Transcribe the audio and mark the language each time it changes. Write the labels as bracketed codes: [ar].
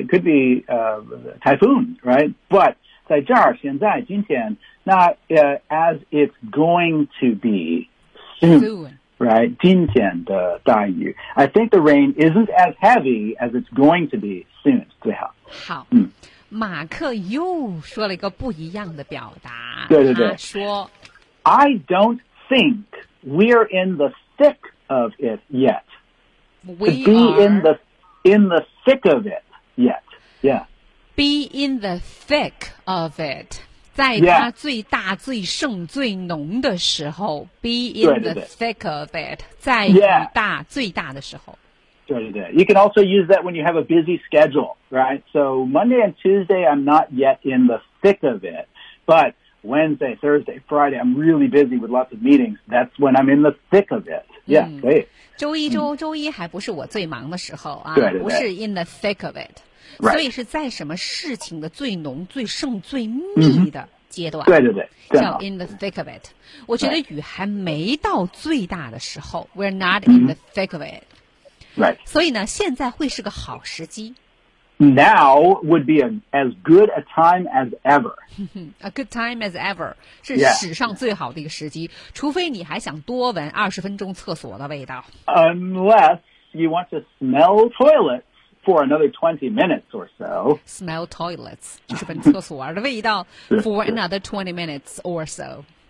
[en] It could be a typhoon, right? But [zh] 在这儿现在今天 [en] not as it's going to be soon, right? [zh] 今天的大雨 [en] I think the rain isn't as heavy as it's going to be soon. [zh] 最好。好。马克又说了一个不一样的表达。对对对。他说 [en] I don't think we're in the thick of it yet. We are. To be in the thick of it yet. Yeah. Be in the thick of it. [zh] 在它最大、最盛最浓的时候 [en] Be in [zh] 对对对 [en] the thick of it. [zh] 在雨大、 [en] yeah. [zh] 最大的时候。 [en] Right, right. You can also use that when you have a busy schedule, right? So Monday and Tuesday, I'm not yet in the thick of it. But Wednesday, Thursday, Friday, I'm really busy with lots of meetings. That's when I'm in the thick of it. Yeah, great. [zh] 周一还不是我最忙的时候啊，对对对 [en] 不是 in the thick of it.、 Right. [zh] 所以是在什么事情的最浓、最盛、最密的阶段。 Mm-hmm. 对对对，叫 [en] in the thick of it. [zh] 我觉得雨还没到最大的时候、right. [en] We're not in the thick of it. Right. [zh] 所以呢，现在会是个好时机。 [en] Now would be as good a time as ever. A good time as ever 是、 yeah. [zh] 史上最好的一个时机，除非你还想多闻20分钟厕所的味道。 [en] Unless you want to smell toilets for another 20 minutes or so. Smell toilets [zh] 就是闻厕所的味道 [en] for another 20 minutes or so.